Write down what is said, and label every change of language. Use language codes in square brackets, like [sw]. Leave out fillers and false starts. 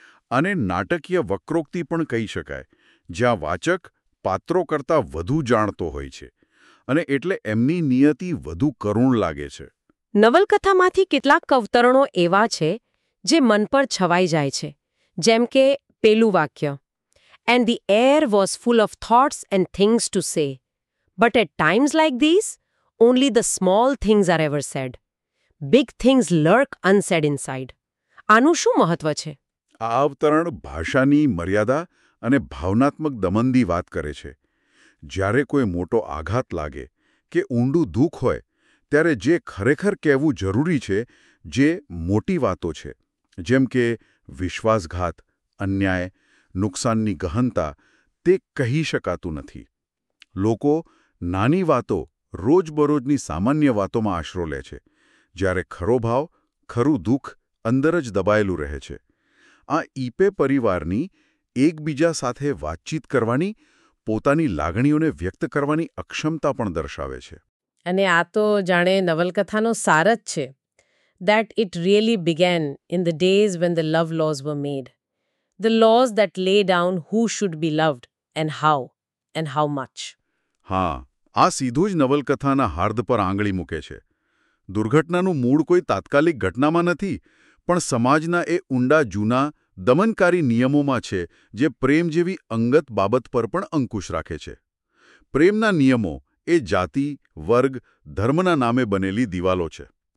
[gu] અને નાટકીય વક્રોક્તિ પણ કહી શકાય, જ્યાં વાચક પાત્રો કરતાં વધુ જાણતો હોય છે અને એટલે એમની નિયતિ વધુ કરુણ લાગે છે. નવલકથામાંથી કેટલાક અવતરણો એવા છે જે મન પર છવાઈ જાય છે, જેમ કે પેલું વાક્ય, [en] "And the air was full of thoughts and things to say. But at times like these, only the small things are ever said. Big things lurk unsaid inside." [gu] આનું શું મહત્વ છે? આ અવતરણ ભાષાની મર્યાદા અને ભાવનાત્મક દમનની વાત કરે છે. જ્યારે કોઈ મોટો આઘાત લાગે કે ઊંડું દુઃખ હોય, ત્યારે જે ખરેખર કહેવું જરૂરી છે, જે મોટી વાતો છે, જેમ કે વિશ્વાસઘાત, અન્યાય, નુકસાનની ગહનતા, તે કહી શકાતું નથી. લોકો નાની વાતો, રોજબરોજની સામાન્ય વાતોમાં આશરો લે છે, જ્યારે ખરો ભાવ, ખરું દુઃખ અંદર જ દબાયેલું રહે છે. આ ઈપે પરિવારની એકબીજા સાથે વાતચીત કરવાની, પોતાની લાગણીઓને વ્યક્ત કરવાની અક્ષમતા પણ દર્શાવે છે. અને આ તો જાણે નવલકથાનો સાર જ છે. [en] That it really began in the days when the love laws were made. The laws that lay down who should be loved and how much. [gu] હા, આ સીધું જ નવલકથાના હાર્દ પર આંગળી મૂકે છે. દુર્ઘટનાનું મૂળ કોઈ તાત્કાલિક ઘટનામાં નથી, પણ સમાજના એ ઊંડા જૂના દમનકારી નિયમોમાં છે જે પ્રેમ જેવી અંગત બાબત પર પણ અંકુશ રાખે છે. પ્રેમના નિયમો એ જાતિ, વર્ગ, ધર્મના નામે બનેલી દિવાલો છે.